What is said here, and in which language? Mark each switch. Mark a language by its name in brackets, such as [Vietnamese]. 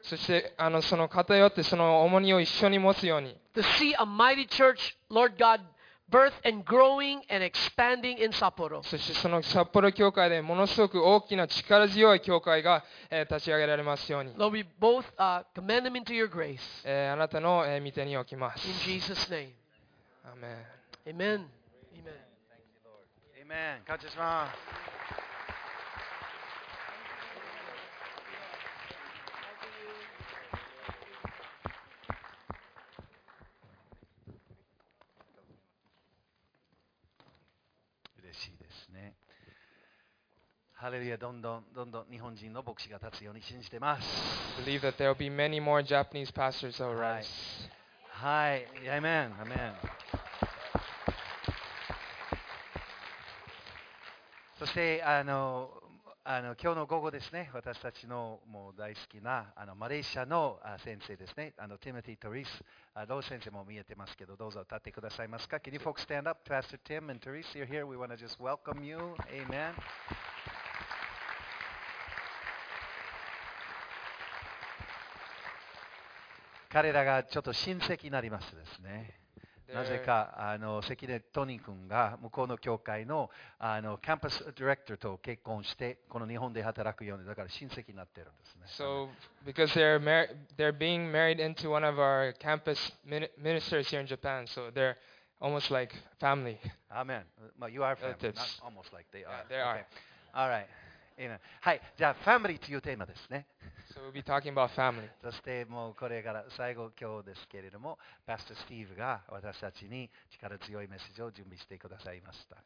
[Japanese] そしてあのその偏ってその重荷を一緒に持つように。 [English] To see a mighty church, Lord God, birth and growing and expanding in Sapporo. [Japanese] そしてその札幌教会でものすごく大きな力強い教会が、立ち上げられますように。 [English] Lord, we both commend them into your grace. [Japanese] あなたの御手に置きます。 [English] In Jesus' name. Amen. Amen. Amen. Amen. Thank you, Lord. Amen. [Japanese] 感謝します。ハレルヤ、どんどんどんどん日本人の牧師が立つように信じてます。 [English] Believe that there will be many more Japanese pastors that will rise. [Japanese] はい、アメン、アメン。そしてあの今日の午後ですね、私たちのもう大好きなあのマレーシアの先生ですね、あのティモティ・トリス、ロー先生も見えてますけど、どうぞ立ってくださいますか。 [English] Can you folks stand up? Pastor Tim and Therese, you're here. We want to just welcome you. Amen. [Japanese] 彼らがちょっと親戚になりますですね。なぜかあの関根トニー君が向こうの教会のあのキャンパスディレクターと結婚してこの日本で働くようにだから親戚になってるんですね。 [English] So because they're being married into one of our campus ministers here in Japan, so they're almost like family. Amen. Well, you are family. Not almost like they are. Yeah, they are. All right. Amen. [Japanese] はい、じゃあ、ファミリーというテーマですね。 [English] So we'll be talking about family. [Japanese] そして、もうこれから最後、今日ですけれども、パスタ・スティーブが私たちに力強いメッセージを準備してくださいました。